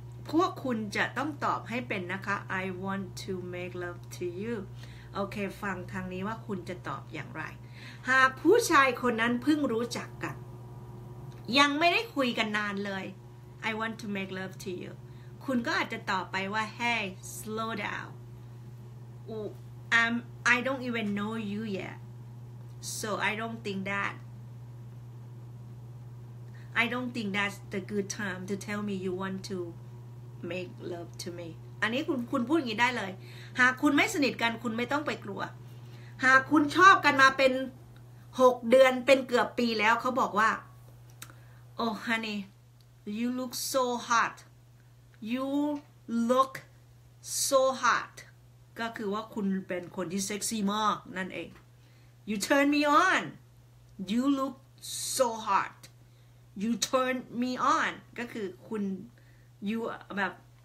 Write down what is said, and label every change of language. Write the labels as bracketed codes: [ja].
[th] พวกคุณจะต้องตอบให้เป็นนะคะ [en] I want to make love to you [th] โอเคฟังทางนี้ว่าคุณจะตอบอย่างไรหากผู้ชายคนนั้นเพิ่งรู้จักกันยังไม่ได้คุยกันนานเลย I want to make love to youคุณก็อาจจะตอบไปว่า [en] Hey, slow down. I don't even know you yet. So I don't think that I don't think that's the good time to tell me you want to make love to me. [th] อันนี้คุณพูดอย่างนี้ได้เลยหากคุณไม่สนิทกันคุณไม่ต้องไปกลัวหากคุณชอบกันมาเป็น6เดือนเป็นเกือบปีแล้วเขาบอกว่า [en] Oh honey you look so hot you look so hot [th] ก็คือว่าคุณเป็นคนที่เซ็กซี่มากนั่นเอง [en] You turn me on you look so hot you turn me on [th] ก็คือคุณ [en] you [th] แบบ